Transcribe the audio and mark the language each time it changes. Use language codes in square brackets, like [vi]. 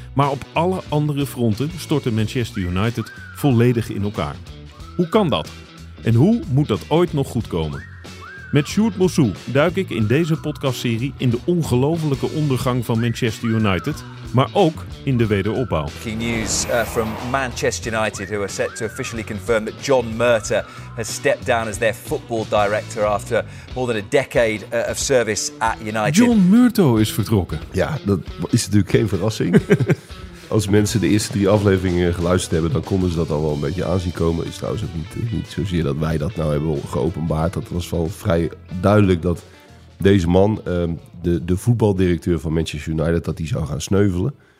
[nl] Maar op alle andere fronten stortte Manchester United volledig in elkaar. Hoe kan dat? En hoe moet dat ooit nog goedkomen? Met Sjoerd Mossou duik ik in deze podcastserie in de ongelofelijke ondergang van Manchester United, maar ook in de wederopbouw. [en] Key news from Manchester United, who are set to officially confirm that John Murta has stepped down as their football director after more than a decade of service at United. [nl] John Murta is vertrokken. Ja, dat is natuurlijk geen verrassing. Als mensen de eerste drie afleveringen geluisterd hebben, dan konden ze dat al wel een beetje aanzien komen. Is trouwens ook niet zozeer dat wij dat nou hebben geopenbaard. Dat was wel vrij duidelijk dat deze man, de voetbaldirecteur van Manchester United, dat die zou gaan sneuvelen.